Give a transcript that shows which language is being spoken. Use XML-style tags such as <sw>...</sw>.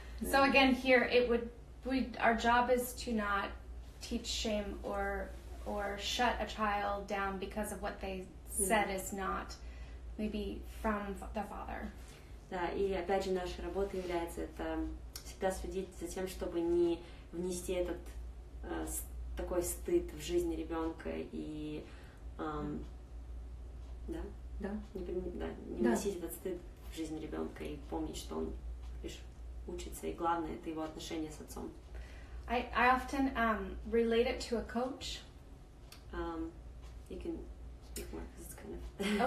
<en>So again, here it would we our job is to not teach shame or shut a child down because of what they said is not maybe from the Father.</en> <ru>Да, и опять же наша работа является это всегда следить за тем, чтобы не внести этот такой стыд в жизни ребенка и не вносить этот стыд в жизни ребенка и помнить, что он лишь учится, и главное это его отношения с отцом.</ru> <en>I often relate it to a coach. You can speak more because it's kind of</en>